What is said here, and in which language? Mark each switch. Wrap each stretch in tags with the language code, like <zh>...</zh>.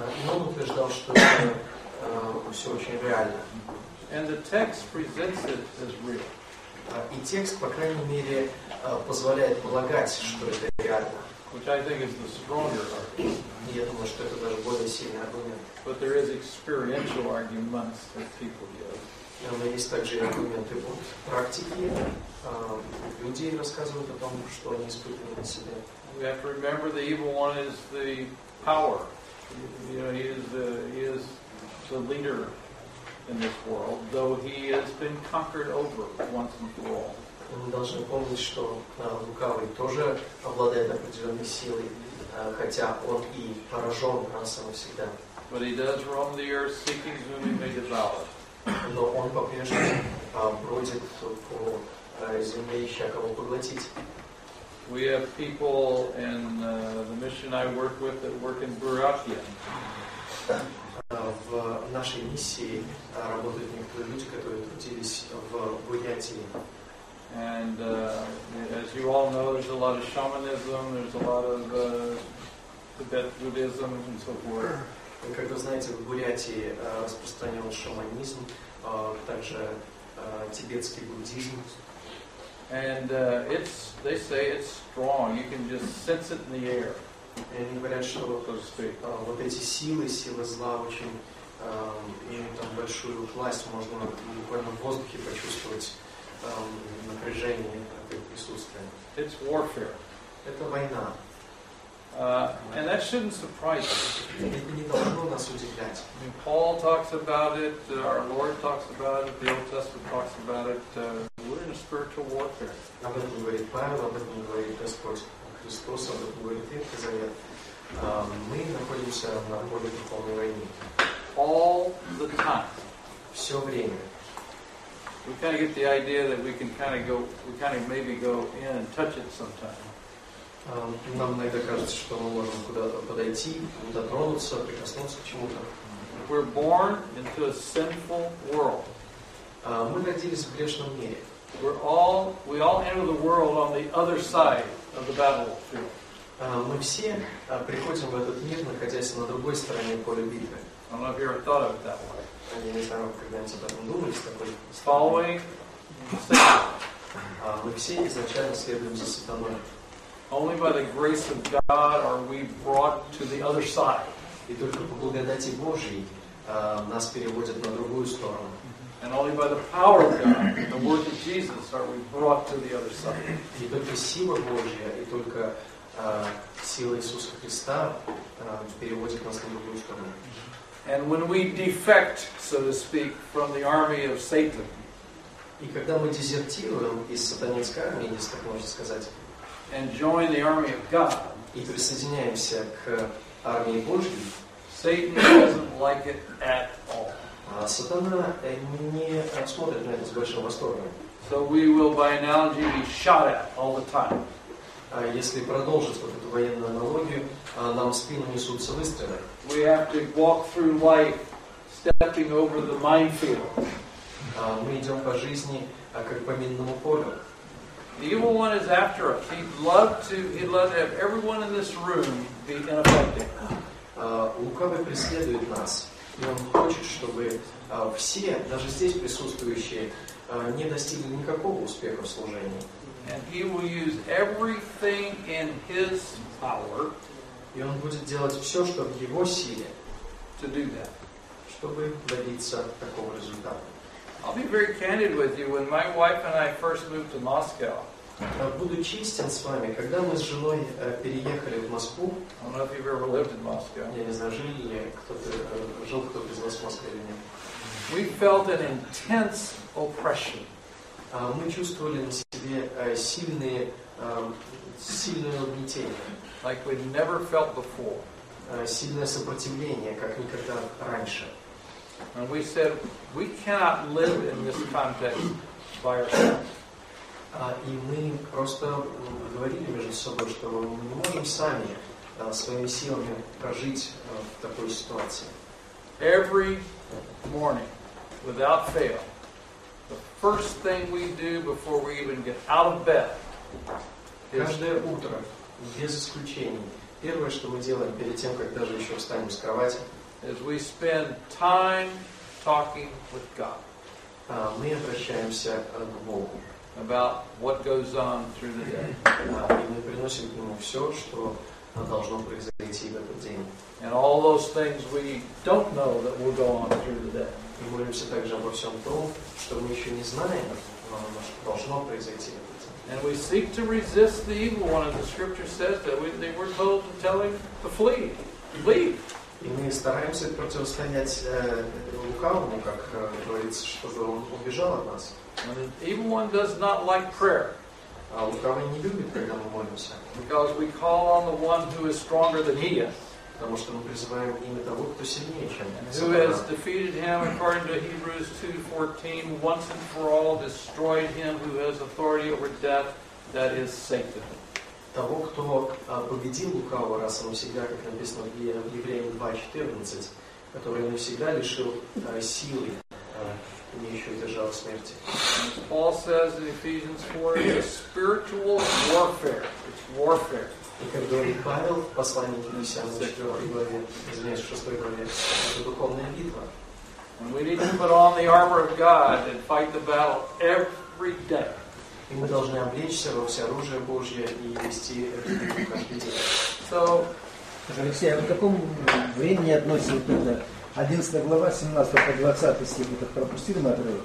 <ru>Он утверждал, что все очень реально.</ru> <en>And the text presents it as real.</en> <ru>И текст, по крайней мере, позволяет полагать, что это реально.</ru> <en>Which I think is the stronger argument.</en> <ru>Я думаю, что это даже более сильный аргумент.</ru> <en>But there is experiential arguments that people give.</en> <ru>Но есть также аргументы от практики. Люди рассказывают о том, что они испытывают на себе.</ru> <en>We have to remember the evil one is the power. You know, he is the leader in this world, though he has been conquered over once and for all.</en> <ru>Мы должны помнить, что лукавый тоже обладает определенной силой, хотя он и поражен раз и навсегда.</ru> <en>But he does roam the earth seeking whom he may devour.</en> <ru>Но он по-прежнему бродит по земле, ища кого поглотить.</ru> <en>We have people in the mission I work with that work in Buryatia.</en> <ru>В нашей миссии работают некоторые люди, которые трудились в Бурятии.</ru> <en>And as you all know, there's a lot of shamanism, there's a lot of Tibet Buddhism and so forth.</en> <ru>Как вы знаете, в Бурятии распространен шаманизм, также тибетский буддизм.</ru> <en>And they say it's strong. You can just sense it in the air.</en> <ru>Они говорят, что вот эти силы зла очень имеют там большую власть. Можно буквально в воздухе почувствовать напряжение присутствия.</ru> <en>It's warfare.</en> <ru>Это война.</ru> <en>And that shouldn't surprise us.</en> <ru>Это не должно нас удивлять.</ru> <en>I mean, Paul talks about it. Our Lord talks about it. The Old Testament talks about it. We're in a spiritual warfare.</en> <ru>Об этом говорит Павел, об этом говорит Господь Христос, об этом говорит Ветхий Завет. Мы находимся на поле духовной войны.</ru> <en>All the time.</en> <ru>Все время.</ru> <en>We kind of get the idea that we can kind of go, we kind of maybe go in and touch it sometime.</en> <ru>Нам иногда кажется, что мы можем куда-то подойти, дотронуться, прикоснуться к чему-то.</ru> <en>We're born into a sinful world.</en> <ru>Мы родились в грешном мире.</ru> <en>We all enter the world on the other side of the battlefield.</en> <ru>Мы все приходим в этот мир, находясь на другой стороне поля битвы.</ru> <en>I don't know if you ever thought of it that way.</en> <ru>Я не знаю, когда-нибудь об этом думали, с такой...</ru> <en>Following Satan.</en> <ru>Мы все изначально следуем за сатаной.</ru> <en>Only by the grace of God are we brought to the other side.</en> <ru>И только по благодати Божьей нас переводят на другую сторону.</ru> <en>And only by the power of God, the word of Jesus, are we brought to the other side.</en> <ru>И только сила Божья, и только сила Иисуса Христа переводит нас на другую сторону.</ru> <en>And when we defect, so to speak, from the army of Satan.</en> <ru>И когда мы дезертируем из сатанинской армии, если так можно сказать,</ru> <en>and join the army of God.</en> <ru>И присоединяемся к армии Божьей.</ru> <en>Satan doesn't like it at all.</en> <ru>Сатана не смотрит на это с большим восторгом.</ru> <en>So we will, by analogy, be shot at all the time.</en> <ru>Если продолжить вот эту военную аналогию, нам в спину несутся выстрелы.</ru> <en>We have to walk through life, stepping over the minefield.</en> <ru>Мы идем по жизни, как по минному полю.</ru> <en>The evil one is after us. He'd love to have everyone in this room be ineffective.</en> <ru>Лукавый преследует нас. И он хочет, чтобы все, даже здесь присутствующие, не достигли никакого успеха в служении.</ru> <en>And he will use everything in his power.</en> <ru>И он будет делать все, что в его силе,</ru> <en>to do that.</en> <ru>Чтобы добиться такого результата.</ru> <en>I'll be very candid with you. When my wife and I first moved to Moscow,</en> <ru>Буду честен с вами. Когда мы с женой переехали в Москву, я не знаю, жили ли кто-то, жил кто-то из вас в Москве или нет.</ru> <en>We felt an intense oppression.</en> <ru>Мы чувствовали на себе сильное угнетение.</ru> <en>Like we never felt before.</en> <ru>Сильное сопротивление, как никогда раньше.</ru> <en>And we said, we cannot live in this context by ourselves.</en> <ru>И мы просто говорили между собой, что мы не можем сами своими силами прожить в такой ситуации.</ru> <en>Every morning, without fail, the first thing we do before we even get out of bed is...</en> <ru>Каждое утро, без исключений, первое, что мы делаем перед тем, как даже еще встанем с кровати,</ru> <en>is we spend time talking with God.</en> <ru>Мы обращаемся к Богу.</ru> <en>About what goes on through the day.</en> <ru>И мы приносим к нему все, что должно произойти в этот день.</ru> <en>And all those things we don't know that will go on through the day.</en> <ru>И молимся также обо всем том, что мы еще не знаем, что должно произойти в этот день.</ru> <en>And we seek to resist the evil one, and the scripture says that we're told to tell him to flee. Leave.</en> <ru>И мы стараемся противостоять лукавому, как говорится, чтобы он убежал от нас.</ru> <en>And the evil one does not like prayer.</en> <ru>Лукавый не любит, когда мы молимся.</ru> <en>Because we call on the one who is stronger than he is.</en> <ru>Потому что мы призываем имя того, кто сильнее, чем он.</ru> <en>Who has defeated him according to Hebrews 2:14, once and for all destroyed him who has authority over death, that is Satan.</en> <ru>Того, кто победил лукавого раз и навсегда, как написано в Евреям 2:14, который навсегда лишил силы, не еще держал в смерти.</ru> <en>Paul says in Ephesians 4, it's spiritual warfare. It's warfare.</en> <ru>И как говорит Павел в послании к Ефесянам 4 главе, извиняюсь, 6 главе, это духовная битва.</ru> <en>And we need to put on the armor of God and fight the battle every day.</en> <ru>И мы должны облечься во все оружие Божье и вести эту битву каждый день.</ru> <en>So,</en> <ru>Алексей, а в каком времени относится 11 глава, 17 по 20 стих, это пропустили на отрывок?</ru>